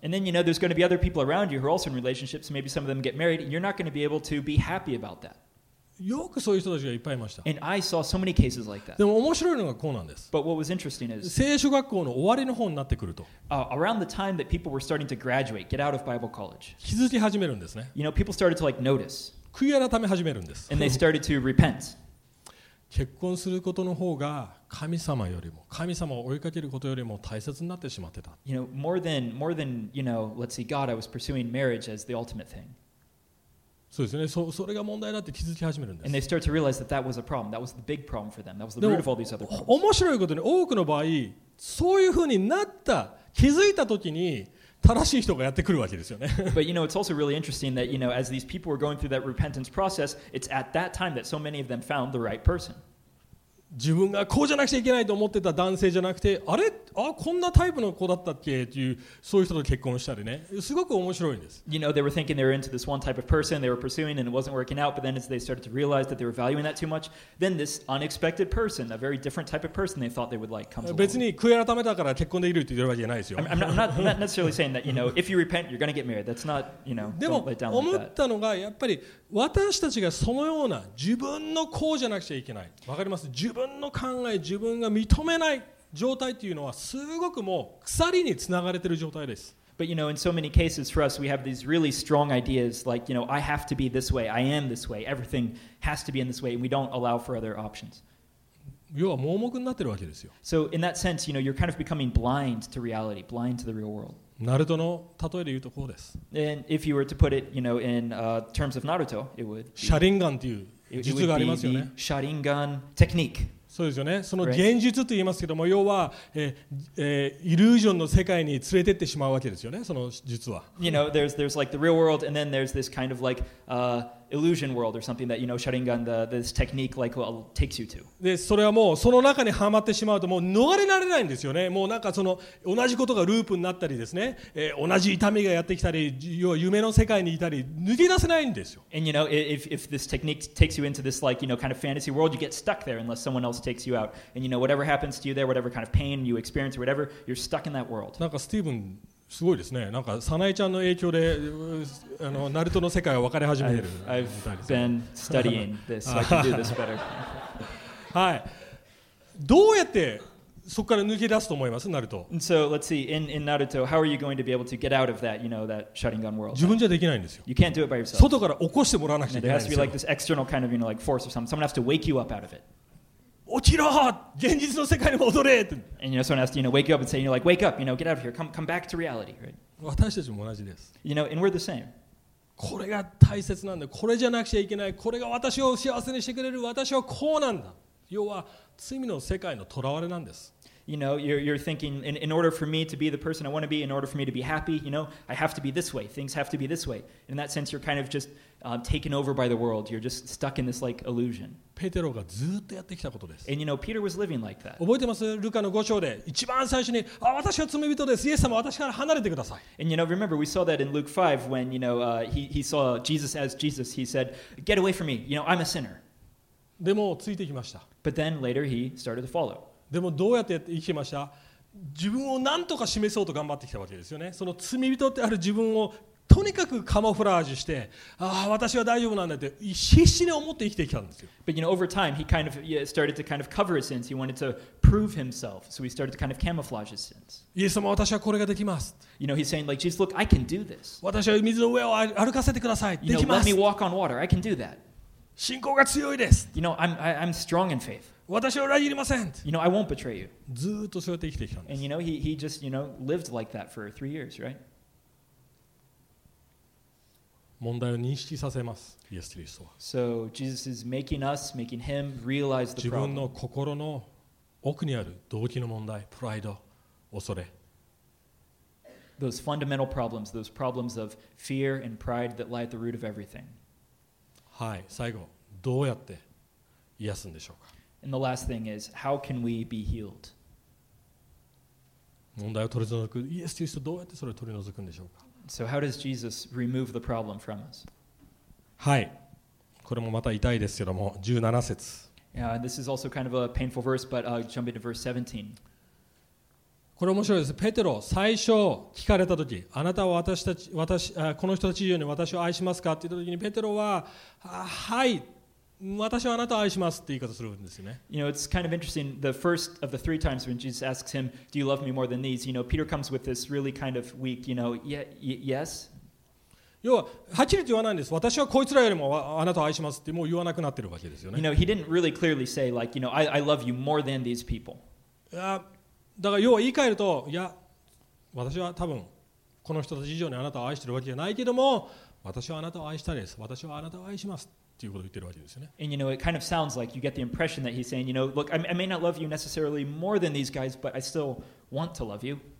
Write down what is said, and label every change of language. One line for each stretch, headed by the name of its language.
English: And then you know there's going to be other people around you who are also in relationships. Maybe some of them get married. You're not going to be able to be happy about that.
Japanese: よくそういう人たちがいっぱいいました。
English: And I saw so many cases like that.
Japanese: でも面白いのがこうなんです。
English: But what was interesting is,
Japanese: 聖書学校の終わりの方になってくると、
English: around the time that people were starting to graduate, get out of Bible college,
Japanese: 気づき始めるんですね。
English: You know, people started to like notice.
Japanese: 悔い改め始めるんです。
English: And they started to repent.
Japanese: 結婚することの方が神様よりも神様を追いかけることよりも大切になってしまってた。
English: You know, more than you know, let's see, God, I was pursuing marriage as the ultimate thing.
Japanese: そうですね、それが問題だって気づき始めるんです。
English: And they start to realize that that was a problem. That was the big problem for them. That was the root of all these other problems.
Japanese: 面白いことに多くの場合、そういうふうになった、気づいた時に正しい人がやってくるわけですよね。
English: But you know, it's also really interesting that you know, as these people were going through that repentance process, it's at that time that so many of them found the right person.
Japanese: 自分がこうじゃなくちゃいけないと思ってた男性じゃなくて、あれ、あ、こんなタイプの子だったっけっていう、そういう人と結婚したりね、すごく面白いんです。
English: You know, they were thinking they were into this one type of person they were pursuing and it wasn't working out, but then as they started to realize that they were valuing that too much, then this unexpected person, a very different type of person they thought they would like, comes along.
Japanese: 別に悔い改めたから結婚できるって言ってるわけじゃないですよ。
English: I'm not necessarily saying that, you know, if you repent, you're going to get married. That's not, you know, don't let down like that.
Japanese: でも、思ったのがやっぱり、私たちがそのような自分のこうじゃなくちゃいけない。わかります? 自分の考え、自分が認めない状態というのはすごくもう鎖につながれている状態です。
English: But you know, in so many cases for us, we have these really strong ideas like, you know, I have to be this way, I am this way, everything has to be in this way, and we don't allow for other options.
Japanese: 要は盲目になってるわけですよ。
English: So in that sense, you know, you're kind of becoming blind to reality, blind to the real world.
Japanese: ナルトの例えで言うとこうです。
English: And if you were to put it, you know, in terms of Naruto, it would
Japanese: シャリンガンという術がありますよね。シャリンガンテクニック。そうですよね。その現実と言いますけども、要は、イリュージョンの世界に連れてってしまうわけですよね。その術は。
English: You know, there's like the real world, and then there's this kind of like illusion world or something that you know, Sharingan, this technique like well, takes you to.
Japanese: で、それはもうその中にはまってしまうともう逃れられないんですよね。もうなんかその同じことがループになったりですね、同じ痛みがやってきたり、要は夢の世界にいたり、抜け出せないんですよ。
English: And you know, if this technique takes you into this like you know kind of fantasy world, you get stuck there unless someone else takes you out. And you know, whatever happens to you there, whatever kind of pain you experience or whatever, you're stuck in that world.
Japanese: なんかスティーブンすごいですね。なんかサナエちゃんの影響であのナルトの世界は分かり始めてるみたいです。
English: I've been studying this, so I can do this better.
Japanese: はい。どうやってそこから抜け出すと思います、ナルト。
English: And so let's see, in Naruto, how are you going to be able to get out of that, you know, that Sharingan world?
Japanese: 自分じゃできないんですよ。
English: You can't do it by yourself.
Japanese: 外から起こしてもらわなくちゃいけないんですよ。
English: It has to be like this external kind of, you know, like force or something. Someone has to wake you up out of it.
Japanese: 起きろ現実の世界に戻れ
English: And you know, someone has to, you know, wake you up and say, you know, like, wake up, you know, get out of here, come back to reality, right?
Japanese: 私たちも同じです。
English: You know, and we're the same.
Japanese: これが大切なんだ。これじゃなくちゃいけない。これが私を幸せにしてくれる。私はこうなんだ。要は、罪の世界の囚われなんです。
English: You know, you're thinking, in order for me to be the person I want to be, in order for me to be happy, you know, I have to be this way. Things have to be this way. In that sense, you're kind of just taken over by the world. You're just stuck in this, like, illusion.
Japanese: ペテロがずっとやってきたことです。
English: And you know, Peter was living like that.
Japanese: 覚えてます? ルカの5章で一番最初に、あ、私は罪人です。イエス様、私から離れてください。
English: And you know, remember, we saw that in Luke 5 when, you know, he saw Jesus as Jesus. He said, get away from me. You know, I'm a sinner.
Japanese: でも、ついてきました。
English: But then later he started to follow.
Japanese: でも、どうやって生きました?自分を何とか示そうと頑張ってきたわけですよね。その罪人ってある自分をとにかくカモフラージュして、ああ私は大丈夫なんだって必死に思って生きてきたんですよ。
English: But you know, over time, he kind of started to kind of cover his sins. He wanted to prove himself, so he started to kind of camouflage his sins.
Japanese: イエス様、私はこれができます。
English: You know, he's saying like, Jesus, look, I can do this.
Japanese: 私は水の上を歩かせてください。
English: You know, let me walk on water. I can do that.
Japanese: 信仰が強いです。
English: You know, I'm strong in faith.
Japanese: 私は裏切りません。
English: You know, I won't betray you.
Japanese: ずっとそうやって生きてきたんです。
English: And you know, he just you know lived like that for 3 years, right?
Japanese: 問題を認識させます。イエス・キリストは。
English: So Jesus is making us, making him realize the problem.
Japanese: 自分の心の奥にある動機の問題、プライド、恐れ。
English: Those fundamental problems, those problems of fear and pride that lie at the root of everything.
Japanese: はい、最後、どうやって癒すんでしょうか。
English: And the last thing is, how can we be healed?
Japanese: 問題を取り除く、イエス・キリストどうやってそれを取り除くんでしょうか。
English: So how does Jesus remove the problem from us?
Japanese: はい。これもまた痛いですけども、17節。
English: Yeah, this is also kind of a painful verse, but jumping to verse 17.
Japanese: これ面白いです。ペテロ、最初聞かれた時、あなたは私たち、私、この人たち以上に私を愛しますかって言った時に、ペテロは、はい。私はあなたを愛しますって言い方するんですよね。
English: You know, it's kind of interesting. The first of the three times when Jesus asks him, "Do you love me more than these?" You know, Peter comes with this really kind of weak, you know, yes.
Japanese: 要ははっきりと言わないんです。私はこいつらよりもあなたを愛しますってもう言わなくなってるわけですよね。
English: You know, he didn't really clearly say like, you know, I love you more than these people.
Japanese: だから要は言い換えると、いや、私は多分この人たち以上にあなたを愛してるわけじゃないけども、私はあなたを愛したいです。私はあなたを愛します。
English: And you know, it kind of sounds like you get the impression that he's saying, you know, look, I may not love you necessarily more than these guys, but I still want to love you.